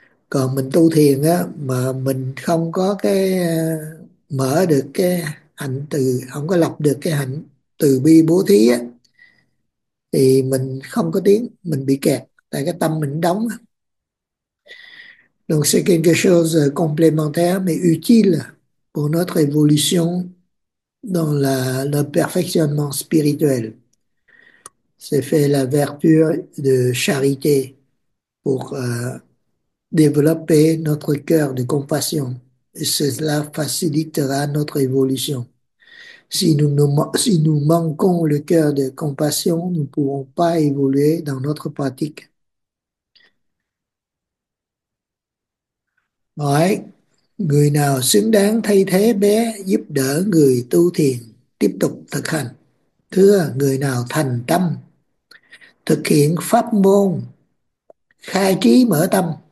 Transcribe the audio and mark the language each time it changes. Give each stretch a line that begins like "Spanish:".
Vietnamese: Còn mình tu thiền á mà mình không có cái mở được cái hạnh từ, không có lập được cái hạnh từ bi bố thí á thì mình không có tiến, mình bị kẹt tại cái tâm mình đóng.
French: Donc c'est quelque chose complémentaire mais utile pour notre évolution dans la, le perfectionnement spirituel. C'est fait la vertu de charité pour développer notre cœur de compassion. Et cela facilitera notre évolution. Si nous manquons le cœur de compassion, nous ne pouvons pas évoluer dans notre pratique. Ouais.
Vietnamese: Người nào xứng đáng thay thế bé giúp đỡ người tu thiền tiếp tục thực hành? Thưa, người nào thành tâm thực hiện pháp môn khai trí mở tâm.